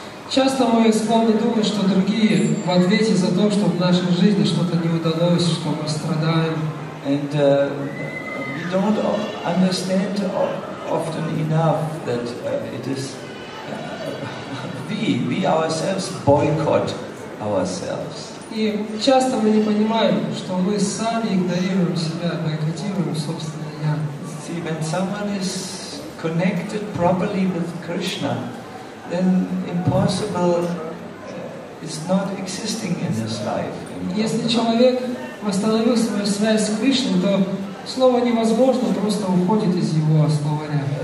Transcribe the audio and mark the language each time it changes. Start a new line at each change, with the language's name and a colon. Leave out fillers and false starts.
Russian: Часто мы склонны думать, что другие в ответе за то, что в нашей жизни что-то не удалось, что мы страдаем.
English: And we don't understand often enough that it is we ourselves boycott ourselves.
Russian: И часто мы не понимаем, что мы сами игнорируем себя, бойкотируем собственное я.
English: See, when someone is connected properly with Krishna, then impossible is not existing in his life.
Russian: Если человек восстановил свою связь с Кришной, то слово невозможно просто уходит из его словаря.